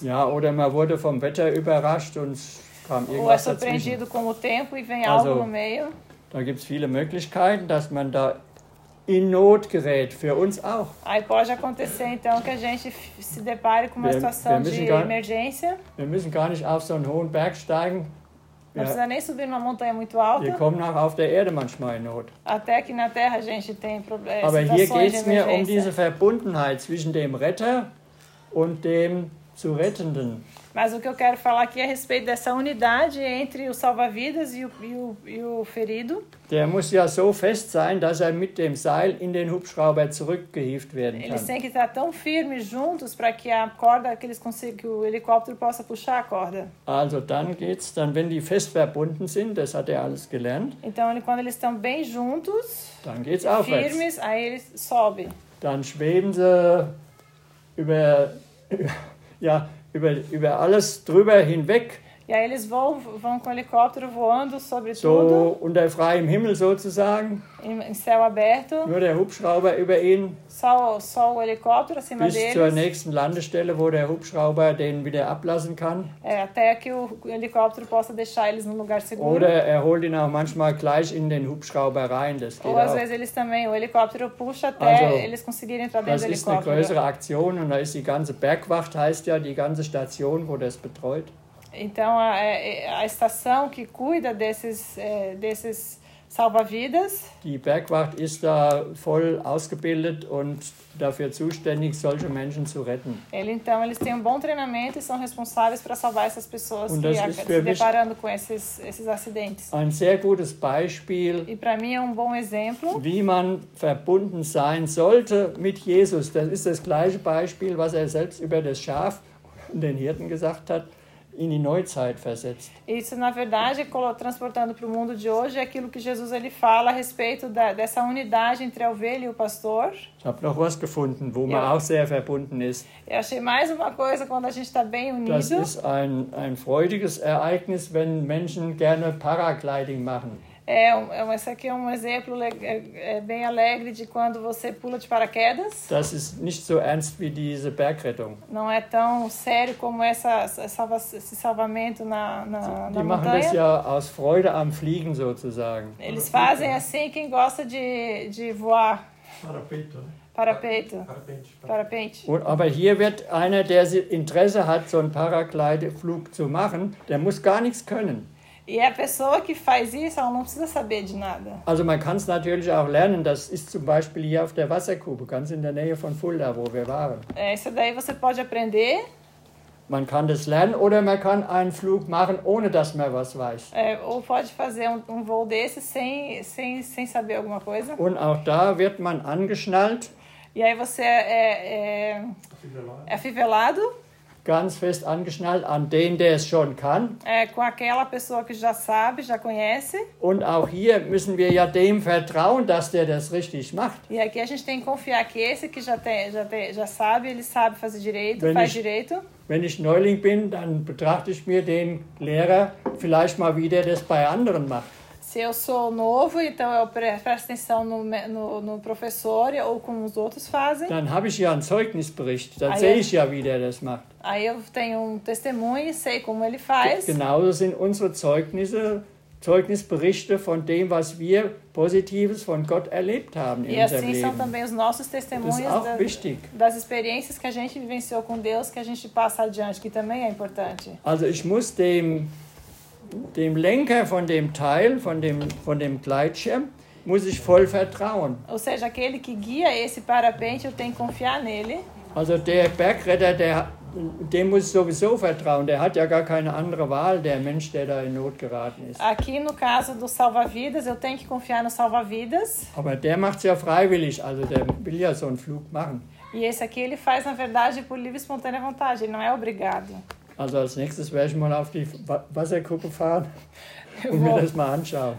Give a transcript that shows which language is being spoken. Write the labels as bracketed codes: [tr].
[de] Ja, oder man wurde vom Wetter überrascht und [pt] ou é surpreendido com o tempo e vem algo no meio. [de] Da gibt es viele Möglichkeiten, dass man da in Not gerät, für uns auch. [pt] Aí pode acontecer, então, que a gente se depare com uma situação de emergência. [de] Wir müssen gar nicht auf so einen hohen Berg steigen. [pt] Não precisa nem subir numa montanha muito alta. [de] Wir kommen auch auf der Erde manchmal in Not. [pt] Até que na Terra a gente tem situações de emergência. [de] Aber hier geht es mir um diese Verbundenheit zwischen dem Retter und dem zu Rettenden. [pt] Mas o que eu quero falar aqui é a respeito dessa unidade entre o salva-vidas e o ferido. [de] Der muss ja so fest sein, dass er mit dem Seil in den Hubschrauber zurückgehievt werden kann. [pt] Eles têm que estar tão firmes juntos para que a corda, que eles consigam, que o helicóptero possa puxar a corda. [de] Also dann geht's, dann wenn die fest verbunden sind, das hat er alles gelernt. [pt] Então quando eles estão bem juntos, [de] dann geht's aufwärts. [pt] Firmes, aí eles sobem. [de] Dann schweben sie über, ja. Über alles drüber hinweg. [pt] Ja, eles vão com o helicóptero voando sobre [de] so [pt] tudo. [de] So unter freiem Himmel sozusagen. [pt] Im céu aberto. [de] Nur der Hubschrauber über ihn. [pt] Só o helicóptero acima [de] bis [pt] deles. [de] Bis zur nächsten Landestelle, wo der Hubschrauber den wieder ablassen kann. [pt] É, até que o helicóptero possa deixar eles num lugar seguro. [de] Oder er holt ihn auch manchmal gleich in den Hubschrauber rein. Das geht [pt] ou [de] auch. [pt] Às vezes eles também, o helicóptero puxa até also, eles conseguirem entrar dentro do helicóptero. [de] Das ist eine größere Aktion und da ist die ganze Bergwacht, heißt ja, die ganze Station, wo das betreut. [pt] Então, a estação que cuida desses salva-vidas. [de] Die Bergwacht ist da voll ausgebildet und dafür zuständig, solche Menschen zu retten. [pt] Então, eles têm um bom treinamento e são responsáveis para salvar essas pessoas que se deparando com esses acidentes. [de] Ein sehr gutes Beispiel. [pt] E para mim é um bom exemplo. [de] Wie man verbunden sein sollte mit Jesus. Das ist das gleiche Beispiel, was er selbst über das Schaf und den Hirten gesagt hat. In die Neuzeit versetzt. [pt] Isso, na verdade, transportando para o mundo de hoje, é aquilo que Jesus ele fala a respeito dessa unidade entre a ovelha e o pastor. [de] Ich habe noch was gefunden, wo man auch sehr verbunden ist. [pt] Eu achei mais uma coisa quando a gente está bem unido. [de] Das ist ein freudiges Ereignis, wenn Menschen gerne Paragliding machen. [pt] Esse aqui é um exemplo bem alegre de quando você pula de paraquedas. [de] Das ist nicht so ernst wie diese Bergrettung. [pt] Não é tão sério como esse salvamento na montanha. Die machen das ja aus Freude am Fliegen sozusagen. Eles fazem assim quem gosta de voar. Parapeito. Parapeito. Parapente. Parapente. [de] Aber hier wird einer, der Interesse hat, so einen Paraglide-Flug zu machen, der muss gar nichts können. [pt] E a pessoa que faz isso, ela não precisa saber de nada. [de] Also man kann es natürlich auch lernen, das ist zum Beispiel hier auf der Wasserkuppe, ganz in der Nähe von Fulda, wo wir waren. [pt] Isso daí você pode aprender. [de] Man kann das lernen oder man kann einen Flug machen, ohne dass man was weiß. [pt] Ou pode fazer um voo desse sem saber alguma coisa. [de] Und auch da wird man angeschnallt. [pt] E aí você é afivelado. [de] Ganz fest angeschnallt an den, der es schon kann. [pt] Com aquela pessoa que já sabe, já conhece. [de] Und auch hier müssen wir ja dem vertrauen, dass der das richtig macht. [pt] E aqui a gente tem que confiar que esse que já sabe, ele sabe fazer direito, direito. [de] Wenn ich Neuling bin, dann betrachte ich mir den Lehrer vielleicht mal, wie der das bei anderen macht. [pt] Se eu sou novo, então eu presto atenção no professor ou como os outros fazem. [de] Dann habe ich ja einen Zeugnisbericht, dann sehe ich ja, wie der das macht. [pt] Aí eu tenho um testemunho e sei como ele faz. [de] Genauso sind unsere Zeugnisse, Zeugnisberichte von dem, was wir Positives von Gott erlebt haben in unserem Leben. [pt] E assim são também os nossos testemunhos das experiências que a gente vivenciou com Deus, que a gente passa adiante, que também é importante. [de] Also ich muss dem Lenker von dem Teil, von dem Gleitschirm, muss ich voll vertrauen. [pt] Ou seja, aquele que guia esse parapente, eu tenho que confiar nele. [de] Also der Bergretter, dem muss ich sowieso vertrauen. Der hat ja gar keine andere Wahl, der Mensch, der da in Not geraten ist. [pt] Aqui no caso do salva-vidas, eu tenho que confiar no salva-vidas. [de] Aber der macht es ja freiwillig, also der will ja so einen Flug machen. [pt] E esse aqui ele faz, na verdade, por livre e espontânea vontade, ele não é obrigado. [de] Also als nächstes werde ich mal auf die Wasserkuppe fahren und mir das mal anschauen.